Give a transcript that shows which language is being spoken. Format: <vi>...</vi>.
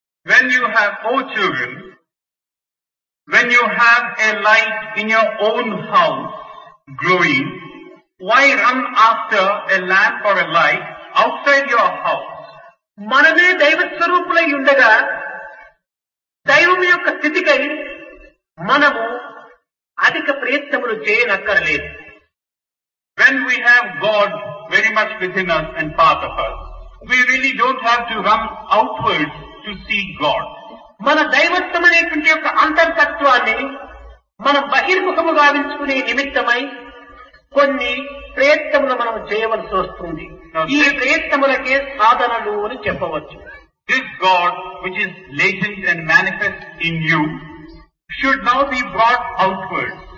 <en>When you have four children, when you have a light in your own house growing, why run after a lamp or a light outside your house?</en> <te>మనమే దైవస్వరూపులై ఉండగా దైవం యొక్క స్థితికై మనము అధిక ప్రయత్నములు చేయనక్కరలేదు.</te> <en>When we have God very much within us and part of us, we really don't have to run outwards to seek God.</en> <te>మన దైవత్వం అనేటువంటి యొక్క అంతర్తత్వాన్ని మనం బహిర్ముఖము గావించుకునే నిమిత్తమై కొన్ని ప్రయత్నములు మనం చేయవలసి వస్తుంది. ఈ ప్రయత్నములకే సాధనలు అని చెప్పవచ్చు.</te> <en>This god which is latent and manifest in you should now be brought outward.</en>